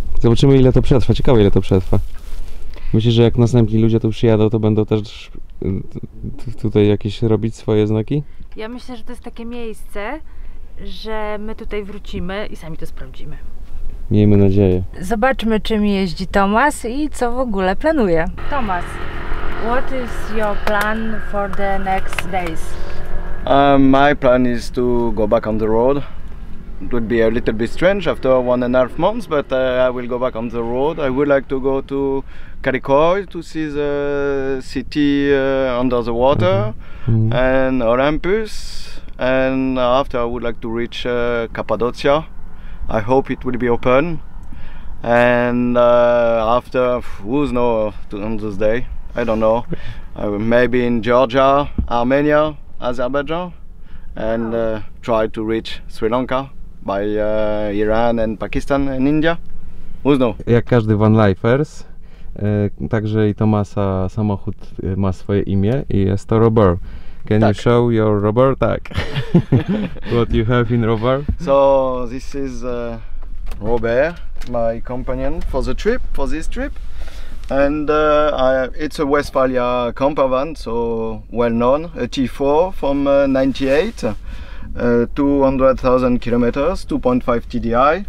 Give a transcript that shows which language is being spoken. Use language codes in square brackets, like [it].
[pl] Zobaczymy, ile to przetrwa. Ciekawe, ile to przetrwa. Myślisz, że jak następni ludzie tu przyjadą, to będą też tutaj jakieś robić swoje znaki? Ja myślę, że to jest takie miejsce, że my tutaj wrócimy i sami to sprawdzimy. Miejmy nadzieję. Zobaczmy, czym jeździ Tomas i co w ogóle planuje. [en] Tomas, what is your plan for the next days? My plan is to go back on the road. It would be a little bit strange after 1.5 months, but I will go back on the road. I would like to go to Karikoy to see the city under the water and Olympus. And after I would like to reach Cappadocia. I hope it will be open. And after, who knows on this day? I don't know. Maybe in Georgia, Armenia, Azerbaijan, and try to reach Sri Lanka by Iran and Pakistan and India. Who knows? [pl] Jak każdy van lifers, także i Tomasa samochód ma swoje imię i jest to Rover. [en] Can you show your rubber tag? What you have in rubber? So this is Robert, my companion for the trip, for this trip. And it's a Westfalia camper van, so well known, a T4 from 98, 200,000 kilometers, 2.5 TDI.